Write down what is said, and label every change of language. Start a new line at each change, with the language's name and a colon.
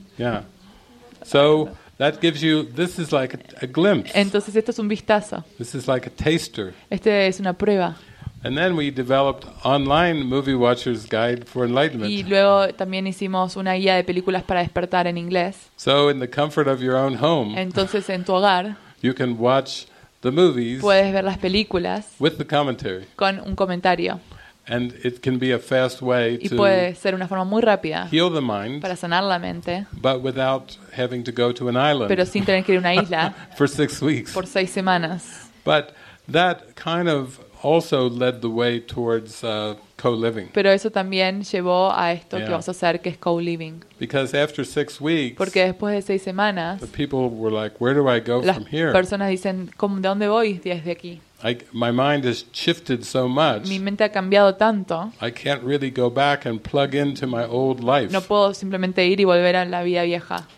English: Yeah. So that gives you. This is like a glimpse.
Spanish: Entonces esto es un vistazo.
English: This is like a taster.
Spanish: Este es una prueba.
English: And then we developed online movie watchers guide for enlightenment.
Spanish: Y luego también hicimos una guía de películas para despertar en inglés.
English: So in the comfort of your own home.
Spanish: Entonces en tu hogar.
English: You can watch the movies.
Spanish: Puedes ver las películas.
English: With the commentary.
Spanish: Con un comentario.
English: And it can be a fast way to
Spanish: y puede ser una forma muy rápida
English: heal the mind,
Spanish: para sanar la mente,
English: but without having to go to an island,
Spanish: pero sin tener que ir a una isla
English: for 6 weeks.
Spanish: Por 6 semanas.
English: But that kind of also led the way towards co-living.
Spanish: Pero eso también llevó a esto yeah. que vamos a hacer, que es co-living.
English: Because after 6 weeks,
Spanish: porque después de 6 semanas,
English: the people were like, "Where do I go from here?"
Spanish: Las personas dicen, ¿de dónde voy desde aquí?
English: My mind has shifted so much.
Spanish: Mi mente ha cambiado tanto.
English: I can't really go back and plug into my old life.
Spanish: No puedo simplemente ir y volver a la vida vieja.